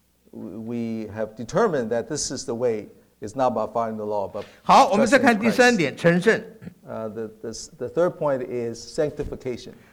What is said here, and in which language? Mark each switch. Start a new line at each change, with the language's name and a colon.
English: We have determined that this is the way. It's not about following the law, but.
Chinese: 好，我们再看第三点，成圣。
English: The third point is sanctification.